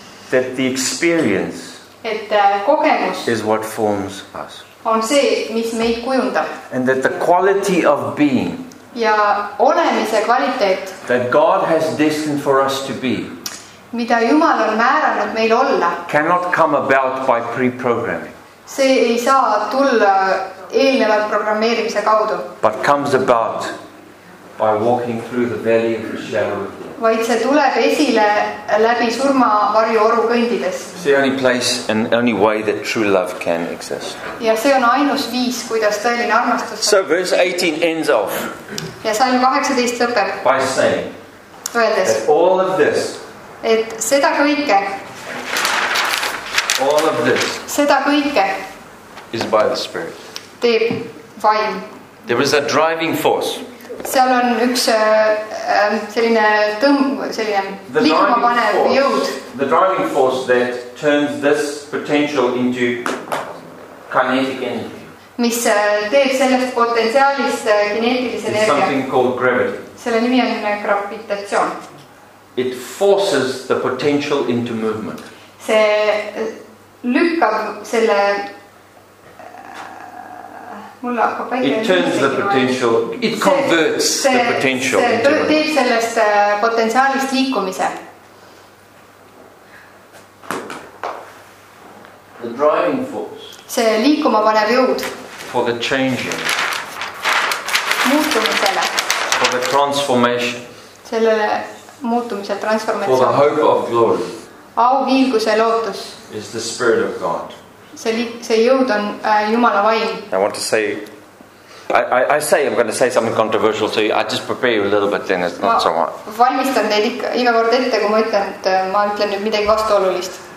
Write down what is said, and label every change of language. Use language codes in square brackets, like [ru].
[en] That the experience is what forms us. [et] On see, mis meid kujundab. [en] And that the quality of being [et] ja olemise kvaliteet, [en] that God has destined for us to be, [et] mida Jumal on määranud meil olla, [en] cannot come about by pre-programming. [et] See ei saa tulla eelneval programmeerimise kaudu. [en] But comes about by walking through the valley of the shadow of death. [et] Vaid see tuleb esile läbi surma varju oru kõndides. [en] See only place and only way that true love can exist. [et] Ja see on ainus viis, kuidas tõeline armastus. [en] So verse 18 ends off. [et] Ja salm 18 lõpeb. [en] By saying. [et] Öeldes. [en] All of this. [et] Et seda kõike. [en] All of this. [et] Seda kõike. [en] Is by the Spirit. [et] Teeb vaim. [en] There is a driving force. [et] Seal on üks selline liikuma panev jõud. [en] The driving force that turns this potential into kinetic energy. [et] Mis teeb sellest potentsiaalist kineetilise energia. [en] Something called gravity. [et] Selle nimi on gravitatsioon. [en] It forces the potential into movement. [et] See lükkab selle [en] It turns the potential, it converts the potential. [et] Teeb sellest potentsiaalist liikumise. [en] The driving force. [et] See liikuma panev jõud. [en] For the changing. [et] Muutumisele. [en] For the transformation. [et] Sellele muutumise transformatsioon. [en] For the hope of glory. [et] Au viilguse lootus. [en] Is the Spirit of God. [et] See jõud on Jumala vaim. [en] I want to say I'm going to say something controversial, so I just prepare you a little bit, then it's not so much. [et] Valmistan teid iga kord ette, kui ma ütlen, et ma ütlen nüüd midagi vastuolulist.